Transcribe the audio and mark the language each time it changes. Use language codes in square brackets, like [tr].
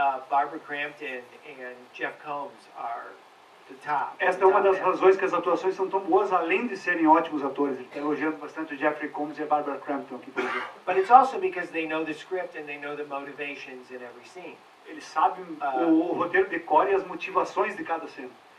[en] Barbara Crampton and Jeff Combs are the top. [pt] Esta é uma das razões que as atuações são tão boas, além de serem ótimos atores. Ele está elogiando bastante o Jeffrey Combs e a Barbara Crampton aqui, por exemplo. [en] But it's also because they know the script and they know the motivations in every scene. [pt] Eles sabem o roteiro de cor e as motivações de cada cena.